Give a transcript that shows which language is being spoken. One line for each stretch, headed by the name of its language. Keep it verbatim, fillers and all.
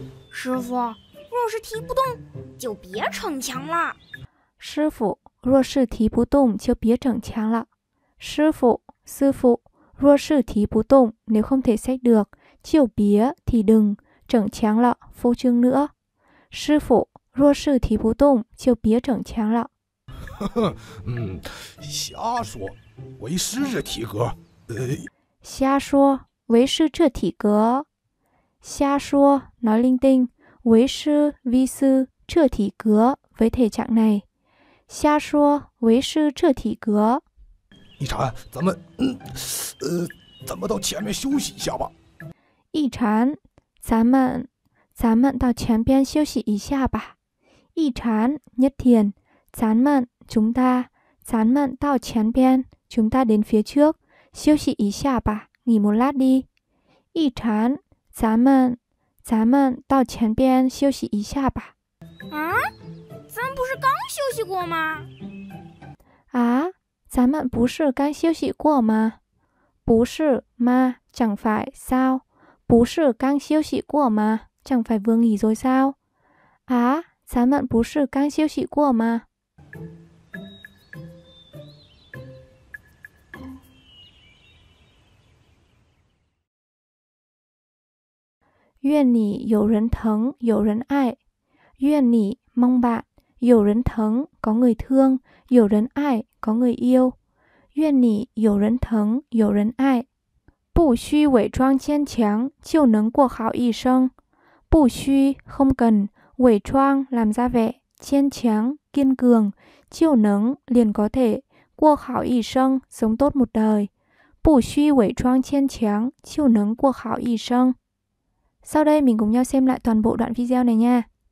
Chinese: 师傅，若是提不动，就别逞强了。师傅。若是提不动就别逞强了。师傅，
Vietnamese: sư phụ,
Chinese: 若是提不动
Vietnamese: nếu không thể xách được, chiều bía thì đừng, chẩn chán lọ, phô trương nữa.
Chinese: 师傅，若是提不动就别整强了。呵呵，嗯，瞎说，为师这体格。呃、瞎说，为师这体格。瞎说
Vietnamese: nói linh tinh,
Chinese: 为师
Vietnamese: vi sư
Chinese: 这体格
Vietnamese: với thể trạng này。
Chinese: 瞎说，为师这体格。一禅，咱们，嗯，呃，咱们到前面休息一下吧。一禅，咱们，咱们到前边休息一下吧。一禅
Vietnamese: nhất thiền，
Chinese: 咱们
Vietnamese: chúng ta，
Chinese: 咱们到前边
Vietnamese: chúng ta đến phía trước，
Chinese: 休息一下吧，
Vietnamese: nghỉ một lát đi。
Chinese: 一禅，咱们，咱们到前边休息一下吧。啊？咱不是刚休息过吗？啊，咱们不是刚休息过吗？不是吗？
Vietnamese: chẳng phải sao？
Chinese: 不是刚休息过吗？
Vietnamese: chẳng phải vừa nghỉ rồi sao？
Chinese: 啊，咱们不是刚休息过吗？愿你有人疼，有人爱。愿你
Vietnamese: mong bạn.
Chinese: 有人疼
Vietnamese: có người thương,
Chinese: 有人爱
Vietnamese: có người yêu.
Chinese: 愿你有人疼，有人爱。不需伪装坚强就能过好一生。不需
Vietnamese: không cần,
Chinese: 伪装
Vietnamese: làm ra vẻ,
Chinese: 坚强
Vietnamese: kiên cường,
Chinese: 就能
Vietnamese: liền có thể,
Chinese: 过好一生
Vietnamese: sống tốt một đời.
Chinese: 不需伪装坚强就能过好一生。
Vietnamese: Sau đây mình cùng nhau xem lại toàn bộ đoạn video này nha.